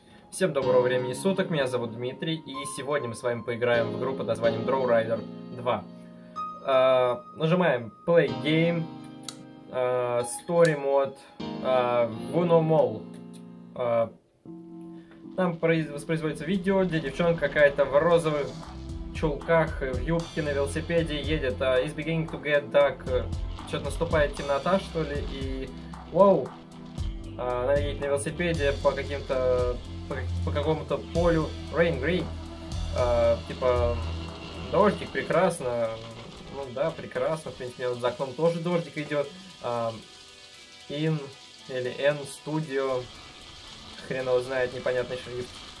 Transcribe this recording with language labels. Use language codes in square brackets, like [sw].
[ru] Всем доброго времени суток, меня зовут Дмитрий, и сегодня мы с вами поиграем в игру под названием Draw Rider 2. Нажимаем Play Game, Story Mode, Gunomall. Там воспроизводится видео, где девчонка какая-то в розовых чулках, в юбке, на велосипеде едет. [en] Is beginning to get dark. [ru] Что-то наступает темнота, что ли, и... Воу! Она едет на велосипеде по каким-то... по какому-то полю. Rain green. Типа, дождик, прекрасно. Ну да, прекрасно. В принципе, вот за окном тоже дождик идет. In или N Studio. Хрен его знает, непонятный шрифт.